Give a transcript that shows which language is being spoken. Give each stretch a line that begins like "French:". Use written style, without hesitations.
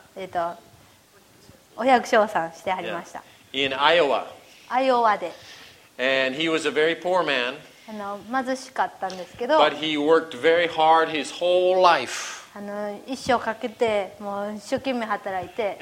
Japanese: がお役所さんしてはりました。
English: Yeah. In Iowa.
Japanese: アイオワで。
English: And he was a very poor man.
Japanese: 貧しかったんですけど。
English: But he worked very hard his whole life.
Japanese: 一生かけてもう一生懸命働いて。